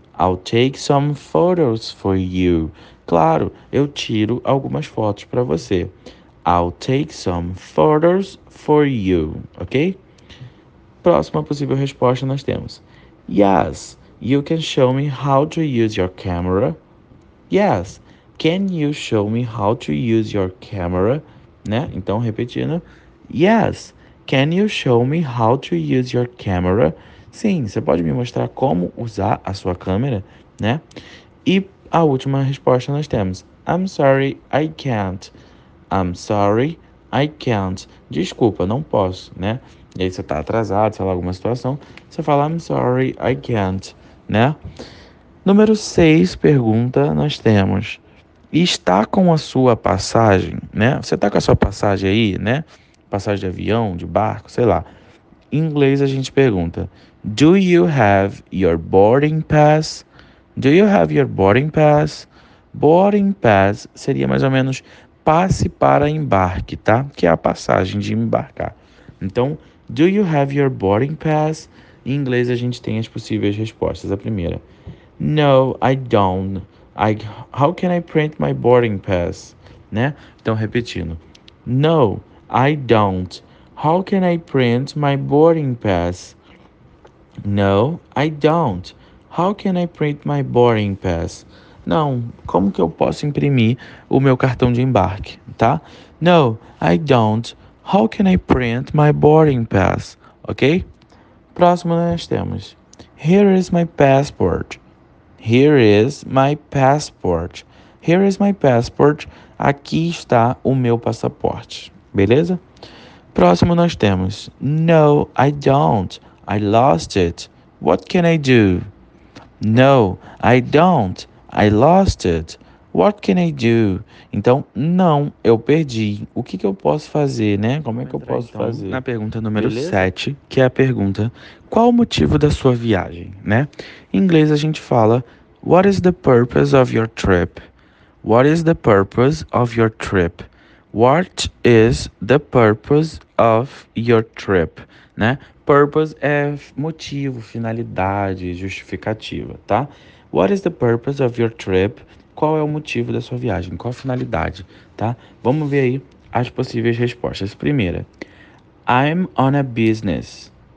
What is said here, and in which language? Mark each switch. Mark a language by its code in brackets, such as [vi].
[en] I'll take some photos for you. [pt] Claro, eu tiro algumas fotos para você. [en] I'll take some photos for you, ok? [pt] Próxima possível resposta nós temos: [en] Yes, you can show me how to use your camera. Yes, can you show me how to use your camera? [pt] Né? Então, repetindo: [en] Yes, can you show me how to use your camera? [pt] Sim, você pode me mostrar como usar a sua câmera, né? E a última resposta nós temos: [en] I'm sorry, I can't. I'm sorry, I can't. [pt] Desculpa, não posso, né? E aí você tá atrasado, sei lá, alguma situação. Você fala: [en] I'm sorry, I can't, [pt] né? Número 6, pergunta nós temos: Está com a sua passagem, né? Você tá com a sua passagem aí, né? Passagem de avião, de barco, sei lá. Em inglês a gente pergunta: [en] Do you have your boarding pass? Do you have your boarding pass? [pt] Boarding pass seria mais ou menos passe para embarque, tá? Que é a passagem de embarcar. [en] Então, do you have your boarding pass? [pt] Em inglês a gente tem as possíveis respostas. A primeira: [en] No, I don't. How can I print my boarding pass? [pt] Né? Então, repetindo: [en] No, I don't. How can I print my boarding pass? No, I don't. How can I print my boarding pass? [pt] Não, como que eu posso imprimir o meu cartão de embarque, tá? [en] No, I don't. How can I print my boarding pass? Ok? [pt] Próximo nós temos: [en] Here is my passport. Here is my passport. Here is my passport. [pt] Aqui está o meu passaporte. Beleza? Próximo nós temos: [en] No, I don't. I lost it. What can I do? No, I don't. I lost it. What can I do? [pt] Então, não, eu perdi. O que que eu posso fazer, né? Como é Vamos que eu entrar posso então fazer? na pergunta número Beleza? 7, que é a pergunta: Qual o motivo da sua viagem, né? Em inglês a gente fala: [en] What is the purpose of your trip? What is the purpose of your trip? What is the purpose of your trip? [pt] Né? Purpose é motivo, finalidade, justificativa, tá? [en] What is the purpose of your trip? [pt] Qual é o motivo da sua viagem? Qual a finalidade, tá? Vamos ver aí as possíveis respostas. Primeira: [en] I'm on a business.